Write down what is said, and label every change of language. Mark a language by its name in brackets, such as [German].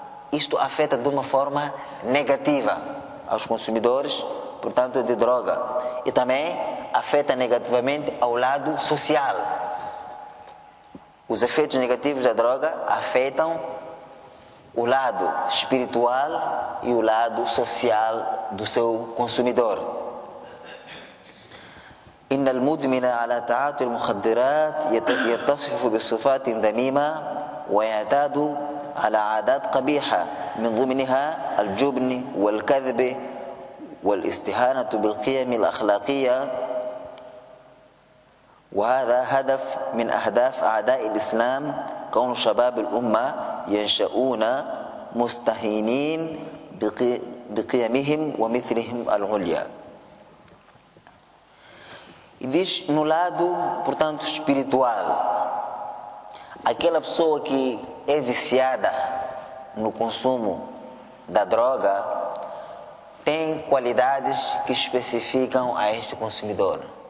[Portuguese] Isto afeta de uma forma negativa aos consumidores, portanto, de droga, e também afeta negativamente ao lado social. Os efeitos negativos da droga afetam o lado espiritual e o lado social do seu consumidor. [Arabic] إن المدمن على تعاطي المخدرات يتصف بصفات ذميمة ويعتاد على عادات قبيحة من ضمنها الجبن والكذب والاستهانة بالقيم الأخلاقية وهذا هدف من أهداف أعداء الإسلام كون شباب الأمة ينشؤون مستهينين بقيمهم ومثلهم العليا. [Portuguese] E diz no lado, portanto, espiritual, aquela pessoa que é viciada no consumo da droga tem qualidades que especificam a este consumidor.